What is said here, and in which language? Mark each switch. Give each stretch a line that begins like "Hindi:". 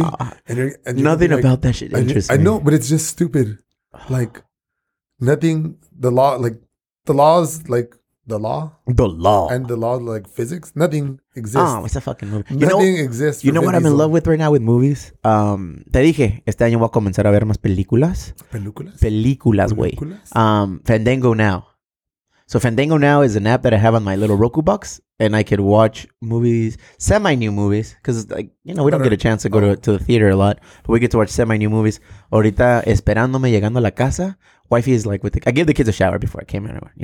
English: Nah. And nothing like, about that shit interests me. I know, but it's just stupid. Like, nothing, the law, like, the laws, like, the law? The law. And the law, like, physics? Nothing exists. Oh, it's a fucking movie. Nothing exists. You know what I'm in love with right now with movies?
Spanish: Te dije, este año voy a comenzar a ver más películas. ¿Películas? Películas, güey. Fandango Now.
English: So Fandango Now is an app that I have on my little Roku box, and I could watch movies, semi-new movies, because, like, you know, we don't get a chance to go to the theater a lot, but we get to watch semi-new movies.
Spanish: Ahorita, esperándome, llegando a la casa,
English: wifey is, like, I give the kids a shower before I came anywhere.